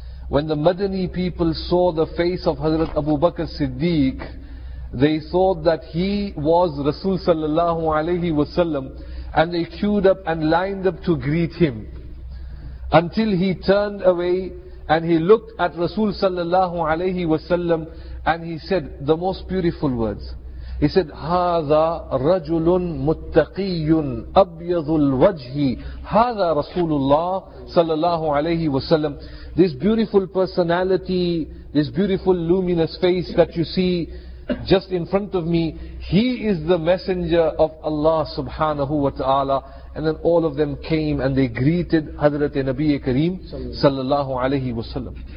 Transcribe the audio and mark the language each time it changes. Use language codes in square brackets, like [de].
[en] When the Madani people saw the face of Hazrat Abu Bakr Siddiq, they thought that he was Rasul sallallahu alayhi wasallam, and they queued up and lined up to greet him. Until he turned away and he looked at Rasul sallallahu alayhi wasallam and he said the most beautiful words. He said, [ar] هَذَا رَجُلٌ مُتَّقِيٌ أَبْيَضُ الْوَجْهِ هَذَا رَسُولُ اللَّهِ صَلَّى اللَّهُ عَلَيْهِ وَسَلَّمُ. [en] This beautiful personality, this beautiful luminous face that you see just in front of me, he is the messenger of Allah subhanahu wa ta'ala. And then all of them came and they greeted Hazrat Nabiya Kareem sallallahu alayhi wa sallam.